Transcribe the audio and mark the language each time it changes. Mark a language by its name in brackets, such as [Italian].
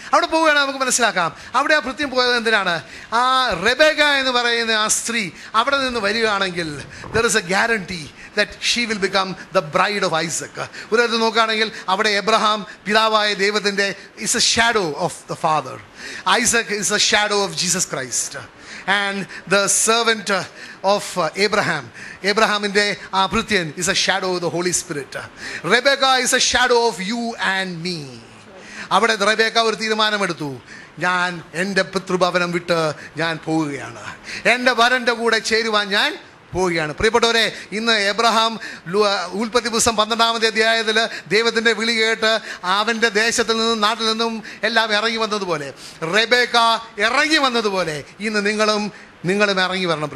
[Malayalam] അവിടെ പോവുകയാണ് നമുക്ക് മനസ്സിലാക്കാം. അവിടെ ആ വൃത്യൻ പോയത് എന്തിനാണ്? ആ റെബേക എന്ന് പറയുന്ന ആ സ്ത്രീ അവിടെ നിന്ന് വരികയാണെങ്കിൽ [English] There is a guarantee that she will become the bride of Isaac. [Malayalam] ഒരു ഇത് നോക്കുകയാണെങ്കിൽ അവിടെ എബ്രഹാം പിതാവായ ദൈവത്തിൻ്റെ [English] Is a shadow of the father. Isaac is a shadow of Jesus Christ and the servant of Abraham. Abraham's aprithyan is a shadow of the Holy Spirit. Rebecca is a shadow of you and me. [Malayalam] Avade Rebecca oru theermanam eduthu, ഞാൻ എൻ്റെ പിതൃഭവനം വിട്ട് ഞാൻ പോവുകയാണ്, എൻ്റെ വരൻ്റെ കൂടെ ചേരുവാൻ ഞാൻ പോവുകയാണ്. പ്രിയപ്പെട്ടവരെ, ഇന്ന് എബ്രഹാം ഉൽപ്പത്തി പുസ്തകം 12-ാമത്തെ അധ്യായത്തിൽ ദൈവത്തിൻ്റെ വിളി കേട്ട് അവൻ്റെ ദേശത്തു നിന്നും നാട്ടിൽ നിന്നും എല്ലാം ഇറങ്ങി വന്നതുപോലെ, റെബേക്ക ഇറങ്ങി വന്നതുപോലെ ഇന്ന് നിങ്ങളും ഇറങ്ങി വരണം.